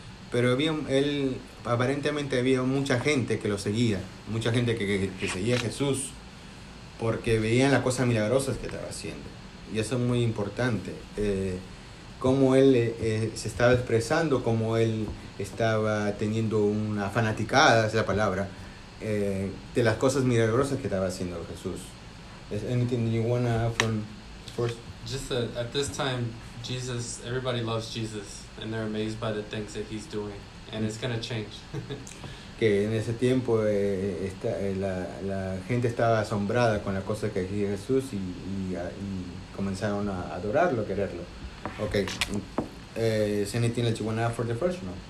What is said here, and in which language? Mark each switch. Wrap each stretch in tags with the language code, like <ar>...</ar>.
<es>Pero aparentemente había mucha gente que lo seguía, mucha gente que seguía a Jesús, porque veían las cosas milagrosas que estaba haciendo. Y eso es muy importante, cómo él se estaba expresando, cómo él estaba teniendo una fanaticada, es la palabra, de las cosas milagrosas que estaba haciendo Jesús.</es> <en>Is anything you wanna add from first? Just that at this time, Jesus, everybody loves Jesus, and they're amazed by the things that he's doing, and it's gonna change.</en> <es>Que en ese tiempo la gente estaba asombrada con las cosas que hacía Jesús y comenzaron a adorarlo, a quererlo.</es> <en>Okay. Is anything that you want to add for the first one?</en>